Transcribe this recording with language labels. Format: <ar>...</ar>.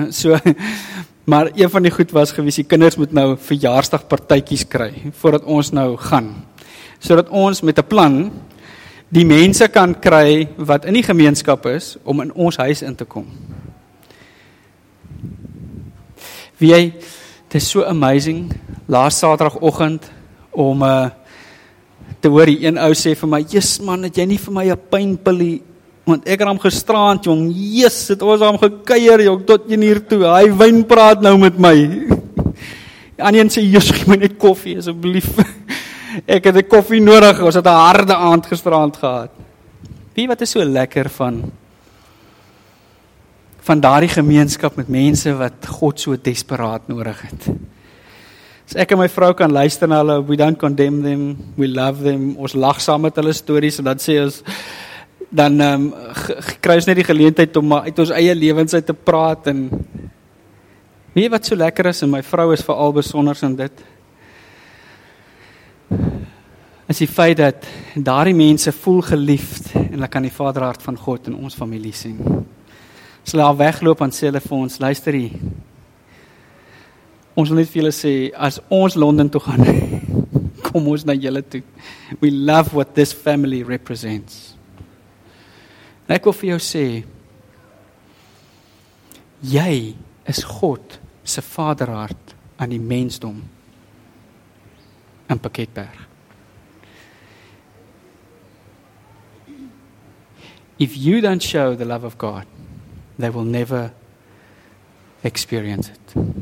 <af>So, maar een van die goed was gewees, die kinders moet nou verjaarsdagpartytjies kry, voordat ons nou gaan. Sodat ons met 'n plan die mense kan kry wat in die gemeenskap is, om in ons huis in te kom. Wie jy, het is so amazing, laas saterdagoggend om te hoor die een ou sê vir my, jes man, het jy nie vir my 'n pynpillie, want ek het hom gestraand, jong, jes, het ons hom gekeier, jong, tot jy hier toe, hy wyn praat nou met my. Die ander een sê, jes, gee my net koffie, asseblief. Ek het die koffie nodig, ons het 'n harde aand gestraand gehad. Wie wat is so lekker van daardie gemeenskap met mense wat God so desperaat nodig het. As ek en my vrou kan luister na hulle,</af> <en>we don't condemn them, we love them,</en> <af>ons lag saam met hulle stories, en dan sê ons, dan kry ons net die geleentheid om uit ons eie lewens uit te praat, en weet wat so lekker is, en my vrou is veral besonders in dit, is die feit dat daardie mense voel geliefd, en hulle kan die vaderhart van God in ons familie sien. As hulle al wegloop, en sê hulle vir ons, luister hier, Ons wil net vir julle sê, as ons Londen toe gaan, kom ons na julle toe.</af> <en>We love what this family represents.</en> <af>En ek wil vir jou sê, jy is God se vaderhart aan die mensdom in Piketberg.</af> <en>If you don't show the love of God, they will never experience it.</en>